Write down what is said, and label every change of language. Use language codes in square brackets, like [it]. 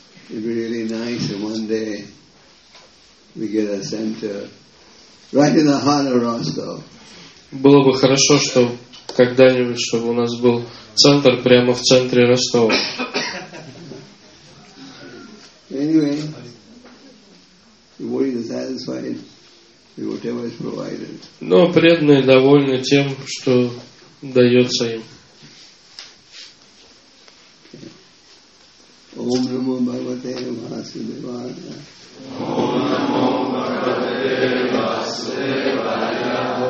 [en] It'd be really nice if one day we get a center. Right in the heart of Rostov. [ru] Было бы хорошо, чтобы когда-нибудь, чтобы у нас был центр прямо в центре Ростова. [en] Anyway, the body is satisfied with whatever is provided. [ru] Но преданные довольны тем, что дается им. [sa] Ом намо Бхагавате Васудевая. Om namo Bhagavate Vasudevaya.